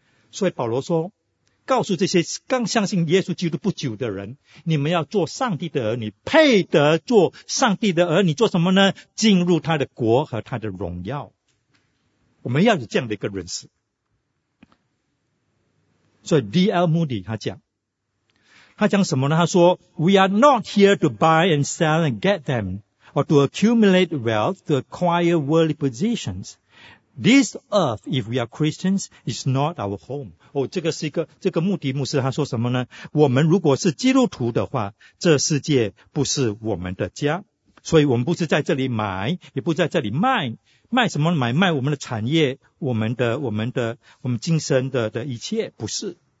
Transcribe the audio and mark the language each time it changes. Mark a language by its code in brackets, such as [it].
[zh] 所以保罗说，告诉这些刚相信耶稣基督不久的人，你们要做上帝的儿女，配得做上帝的儿女。做什么呢？进入他的国和他的荣耀。我们要有这样的一个认识。所以 D.L. [en] Moody [zh] 他讲什么呢？他说 [en] We are not here to buy and sell and get them or to accumulate wealth, to acquire worldly possessions. This earth, if we are Christians, is not our home. [zh] 哦，这个是一个这个穆迪牧师他说什么呢？我们如果是基督徒的话，这世界不是我们的家，所以我们不是在这里买，也不在这里卖，卖什么买？卖我们的产业，我们今生的一切，不是。